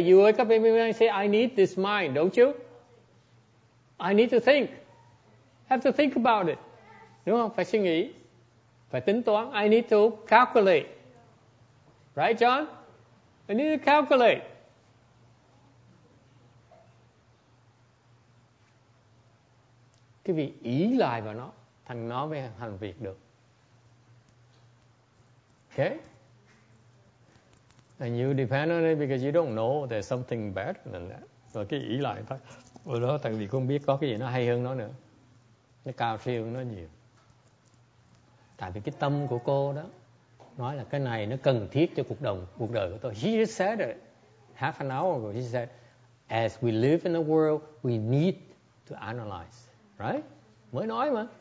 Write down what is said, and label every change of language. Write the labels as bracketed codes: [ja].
[en] You wake up every day and say, I need this mind, don't you? I need to think. Have to think about it. [vi] Đúng không? Phải suy nghĩ. Phải tính toán. [en] I need to calculate. Right, John? I need to calculate. [vi] Cái vị ý lại vào nó, thành nó mới thành việc được. [en] Okay? And you depend on it because you don't know there's something better than that. [vi] Rồi cái ý lại thôi. Rồi đó, tại vì không biết có cái gì nó hay hơn nó nữa. Nó cao siêu hơn nó nhiều. Tại vì cái tâm của cô đó, nói là cái này nó cần thiết cho cuộc đời của tôi. [en] She just said it. Half an hour ago, she said, as we live in the world, we need to analyze. Right? [vi] Mới nói mà.